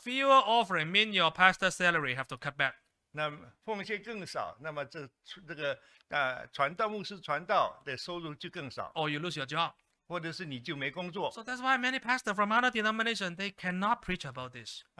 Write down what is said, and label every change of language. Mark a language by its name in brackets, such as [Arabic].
[English] Fewer offering means your pastor salary have to cut back。 [Chinese] 那奉献更少，那么这个传道牧师传道的收入就更少。 [English] Or you lose your job。 [Chinese] 或者是你就没工作。 [English] So that's why many pastors from other denomination they cannot preach about this。